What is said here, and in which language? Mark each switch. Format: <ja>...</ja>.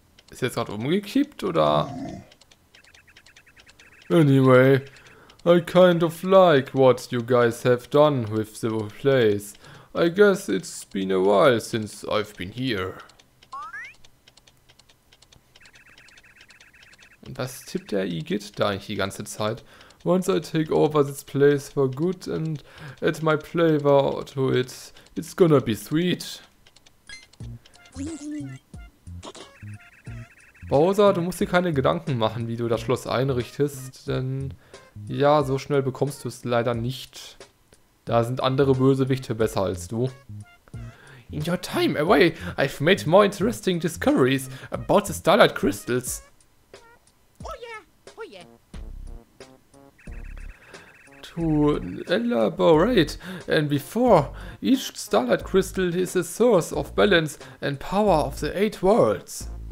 <de>Ist jetzt gerade umgekippt oder?</de> <en>Anyway, I kind of like what you guys have done with the place. I guess it's been a while since I've been here.</en> <de>Und was tippt der Igitt da eigentlich die ganze Zeit?</de> <en>Once I take over this place for good and add my flavor to it, it's gonna be sweet.</en> <de>Bowser, du musst dir keine Gedanken machen, wie du das Schloss einrichtest, denn ja, so schnell bekommst du es leider nicht. Da sind andere Bösewichte besser als du.</de> <en>In your time away, I've made more interesting discoveries about the Starlight Crystals. Oh yeah, oh yeah. To elaborate, and before, each Starlight Crystal is a source of balance and power of the 8 worlds.</en>